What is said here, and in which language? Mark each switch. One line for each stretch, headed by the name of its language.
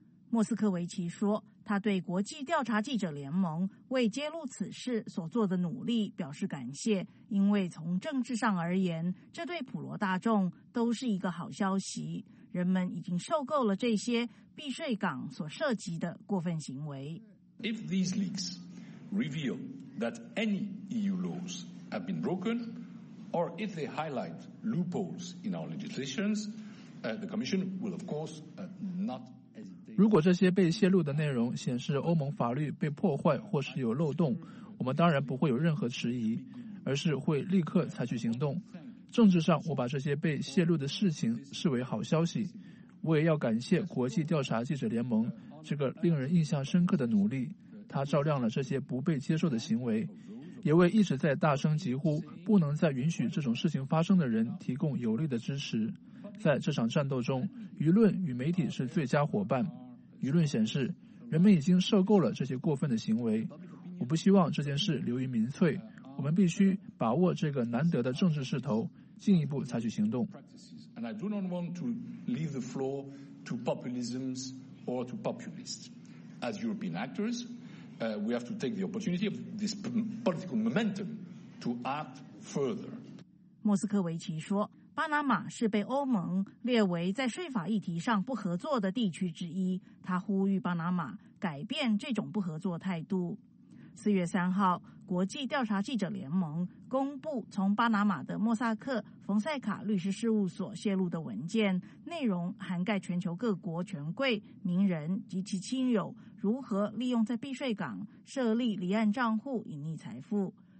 Chinese: 莫斯科维奇说，他对国际调查记者联盟为揭露此事所做的努力表示感谢，因为从政治上而言，这对普罗大众都是一个好消息，人们已经受够了这些避税港所涉及的过分行为。
English: If these leaks reveal that any EU laws have been broken, or if they highlight loopholes in our legislations, the Commission will of course not hesitate.
Chinese: 如果这些被泄露的内容显示欧盟法律被破坏或是有漏洞，我们当然不会有任何迟疑，而是会立刻采取行动。政治上我把这些被泄露的事情视为好消息，我也要感谢国际调查记者联盟这个令人印象深刻的努力，它照亮了这些不被接受的行为，也为一直在大声疾呼不能再允许这种事情发生的人提供有力的支持。在这场战斗中，舆论与媒体是最佳伙伴，舆论显示人们已经受够了这些过分的行为。我不希望这件事流于民粹，我们必须把握这个难得的政治势头，进一步采取行动。
English: And I do not want to leave the floor to populisms or to populists. As European actors, we have to take the opportunity of this political momentum to act further.
Chinese: 莫斯科维奇说，巴拿马是被欧盟列为在税法议题上不合作的地区之一。他呼吁巴拿马改变这种不合作态度。 4月3号，国际调查记者联盟公布从巴拿马的莫萨克·冯塞卡律师事务所泄露的文件，内容涵盖全球各国权贵、名人及其亲友如何利用在避税港设立离岸账户隐匿财富。